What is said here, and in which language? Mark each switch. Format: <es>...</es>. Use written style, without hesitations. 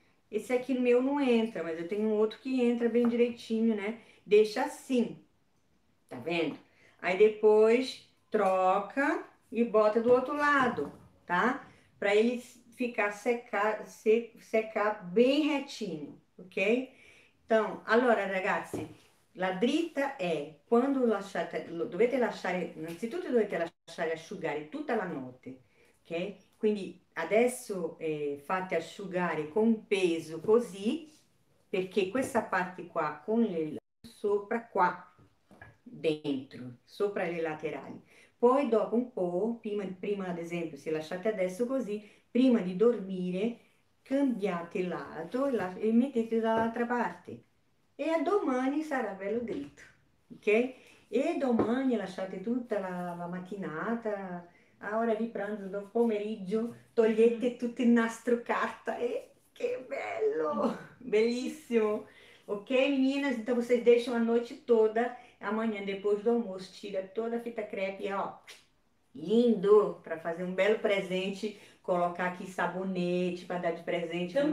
<pt>Esse aqui no meu não entra, mas eu tenho um outro que entra bem direitinho, né? Deixa assim, tá vendo? Aí depois troca e bota do outro lado, tá? Pra ele ficar secar bem retinho, ok? Então,</pt> <it>allora, ragazzi, la dritta è quando lasciate, dovete lasciare, innanzitutto dovete lasciare asciugare tutta la notte, ok? Quindi adesso fate asciugare con peso così, perché questa parte qua con le sopra qua dentro, sopra le laterali. Poi dopo un po', prima ad esempio, se lasciate adesso così, prima di dormire cambiate lato e mettete dall'altra parte. E a domani sarà bello dritto, ok? E domani lasciate tutta la mattinata. A ora di pranzo, dopo pomeriggio, togliete tutto il nastro carta e che bello! Bellissimo! Ok, meninas?</it> <pt>Então vocês deixam a noite toda, amanhã depois do almoço, tira toda a fita crepe, ó, lindo! Para fazer um belo presente, colocar aqui sabonete para dar de presente no</pt>